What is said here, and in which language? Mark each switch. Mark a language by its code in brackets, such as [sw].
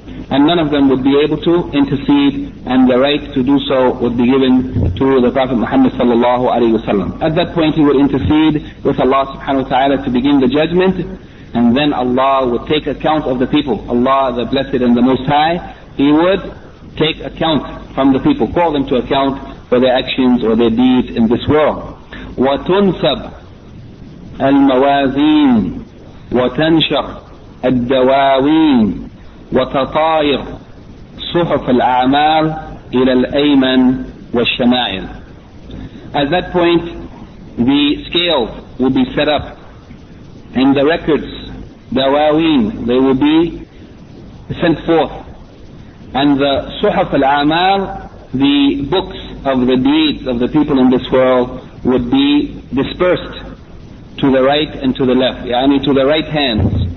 [en] And none of them would be able to intercede, and the right to do so would be given to the Prophet Muhammad sallallahu alaihi wasallam. At that point, he would intercede with Allah subhanahu wa ta'ala to begin the judgment, and then Allah would take account of the people. Allah, the Blessed and the Most High, He would take account from the people, call them to account for their actions or their deeds in this world. [ar] وَتُنْسَبْ الْمَوَازِينَ وَتَنْشَرْ الدَّوَاوِينَ وتطاير صحف الأعمال إلى الأيمن والشمائل. [en] At that point, the scales will be set up, and the records, the dawaween, they will be sent forth. And the suhaf al-amal, the books of the deeds of the people in this world, would be dispersed to the right and to the left, yani to the right hands.